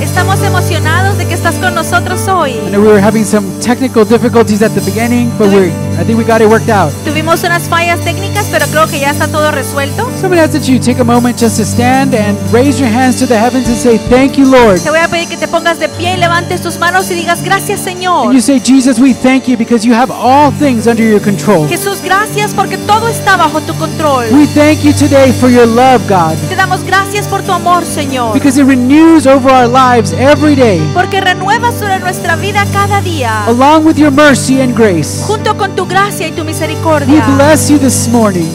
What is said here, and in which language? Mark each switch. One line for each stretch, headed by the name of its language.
Spanish: Estamos emocionados de que estás con nosotros hoy.
English: I know we were having some technical difficulties at the beginning, but I think we got it worked out.
Spanish: Tuvimos unas fallas técnicas, pero creo que ya está todo resuelto.
English: Somebody asked that you take a moment just to stand and raise your hands to the heavens and say thank you, Lord.
Spanish: Te voy a pedir que te pongas de pie y levantes tus manos y digas gracias, Señor.
English: And you say, Jesus, we thank you because you have all things under your control.
Spanish: Jesús, gracias porque todo está bajo tu control.
English: We thank you today for your love, God.
Spanish: Te damos gracias por tu amor, Señor.
English: Because it renews over our lives every day.
Spanish: Porque renueva sobre nuestra vida cada día.
English: Along with your mercy and grace.
Spanish: Junto con tu gracia y tu misericordia.
English: We bless you this morning.